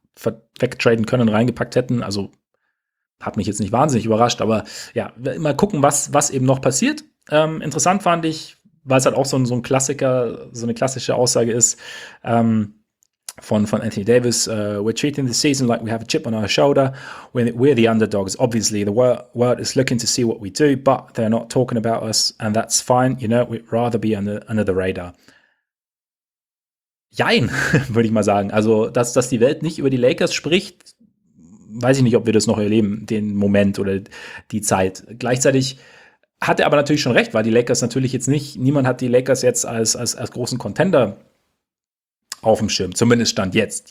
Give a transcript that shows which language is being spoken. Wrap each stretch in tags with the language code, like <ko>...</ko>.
<de>wegtraden können, reingepackt hätten. Also hat mich jetzt nicht wahnsinnig überrascht, aber ja, mal gucken, was eben noch passiert. Interessant fand ich, weil es halt auch so ein Klassiker, so eine klassische Aussage ist, von Anthony Davis,</de> <en>we're treating the season like we have a chip on our shoulder. We're the underdogs, obviously. The world is looking to see what we do, but they're not talking about us, and that's fine. You know, we'd rather be under the radar.</en> <de>Jein, würde ich mal sagen. Also, dass die Welt nicht über die Lakers spricht, weiß ich nicht, ob wir das noch erleben, den Moment oder die Zeit. Gleichzeitig hat er aber natürlich schon recht, weil die Lakers natürlich jetzt nicht, niemand hat die Lakers jetzt als großen Contender auf dem Schirm, zumindest Stand jetzt.</de>